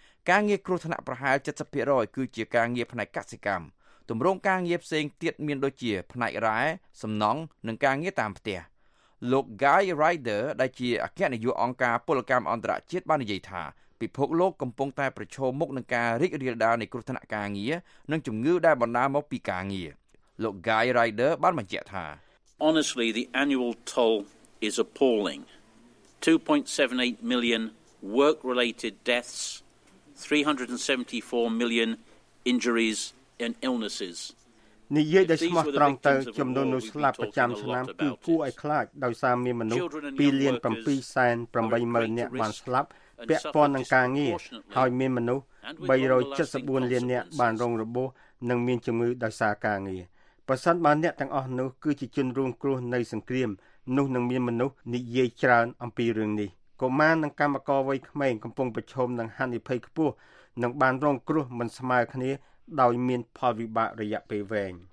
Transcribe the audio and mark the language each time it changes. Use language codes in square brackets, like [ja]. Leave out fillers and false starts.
[km] ការងារគ្រោះថ្នាក់ប្រហែល 70% គឺជាការងារផ្នែកកសិកម្មទម្រង់ការងារផ្សេងទៀតមានដូចជាផ្នែករ៉ែសំណង់និងការងារតាមផ្ទះលោក Guy Ryder ដែលជាអគ្គនាយកអង្គការពលកម្មអន្តរជាតិបាននិយាយថាពិភពលោកកំពុងតែប្រឈមមុខនឹងការរីករាលដាលនៃគ្រោះថ្នាក់ការងារនិងជំងឺដែលបណ្ដាលមកពីការងារលោក Guy Ryder បានបញ្ជាក់ថា [en] Honestly the annual toll is appalling. 2.78 million work-related deaths, 374 million injuries and illnesses. [km] និយាយដោយស្មោះត្រង់ទៅចំនួនមនុស្សស្លាប់ប្រចាំឆ្នាំគឺគួរឲ្យខ្លាចដោយសារមានមនុស្ស 2,780,000 នាក់បានស្លាប់ពាក់ព័ន្ធនឹងការងារហើយមានមនុស្ស 374 លាននាក់បានរងរបួសនិងមានជំងឺដោយសារការងារប្រសិនបើអ្នកទាំងអស់នោះគឺជាជនរងគ្រោះនៃសង្គ្រាមនោះនឹងមានមនុស្សនិយាយច្រើនអំពីរឿងនេះកុមារនិងកម្មករវ័យក្មេងកំពុងប្រឈមនឹងហានិភ័យខ្ពស់និងបានរងគ្រោះមិនស្មើគ្នាដោយមានផលវិបាករយៈពេលវែង